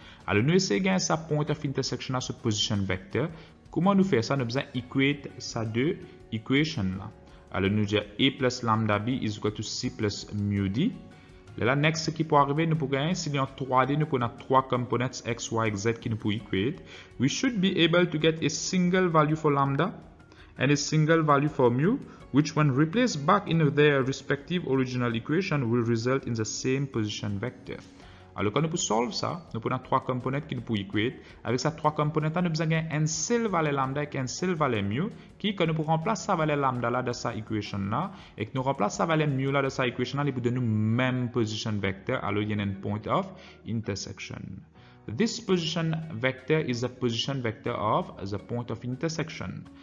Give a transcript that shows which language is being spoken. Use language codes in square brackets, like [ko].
[fr] Alors, nous essayons de gagner sa point of intersection à ce position vector. Comment nous faire ça? Nous avons besoin d'équater sa deux equations. Alors, nous disons A plus lambda B [en] is equal to [fr] C plus mu D. Là, next, ce qui peut arriver, nous pouvons gagner, s'il y a 3D, nous pouvons avoir trois components X, Y, Z qui nous pouvons équater. [en] We should be able to get a single value for lambda and a single value for mu, which when replaced back in their respective original equation will result in the same position vector. [fr] Alors quand nous pouvons solve ça, nous pouvons avoir trois components qui nous pouvons équater. Avec ces trois components, nous avons un seul valeur lambda et un seul valeur mu qui quand nous pouvons remplacer sa valeur lambda là dans sa equation là et que nous remplacer sa valeur mu là dans sa equation là, il peut donner nous même position vector. Alors il y a un point of intersection. [en] This position vector is the position vector of the point of intersection.